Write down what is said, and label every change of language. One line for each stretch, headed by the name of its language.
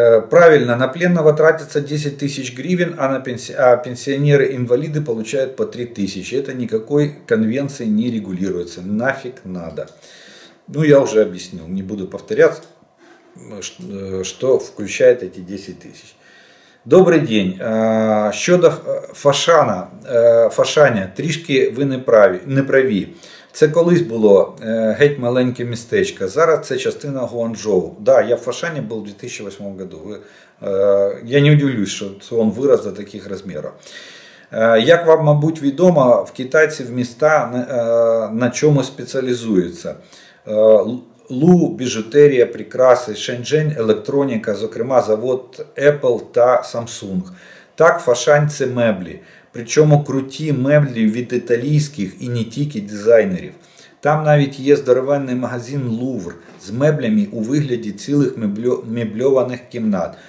Russian: Правильно, на пленного тратится 10 тысяч гривен, а на пенсионеры-инвалиды получают по 3 тысячи. Это никакой конвенции не регулируется. Нафиг надо. Ну, я уже объяснил, не буду повторяться, что включает эти 10 тысяч. Добрый день.
Ukrainian: Щодо Фашана, Фашаня, трішки ви не праві. Це колись було геть маленьке містечко, зараз це частина Гуанчжоу. Да, я в Фашані був у 2008 году.
Russian: Я не удивлюсь,
Ukrainian: що він вирос до таких розмірів. Як вам, мабуть, відомо, в Китаї в міста на чому спеціалізуються? Лу, біжутерія, прикраси, Шенчжень, електроніка, зокрема завод Apple та Samsung. Так, Фашань – це меблі. Причому круті меблі від італійських і не тільки дизайнерів. Там навіть є здоровенний магазин Лувр з меблями у вигляді цілих мебльованих кімнат.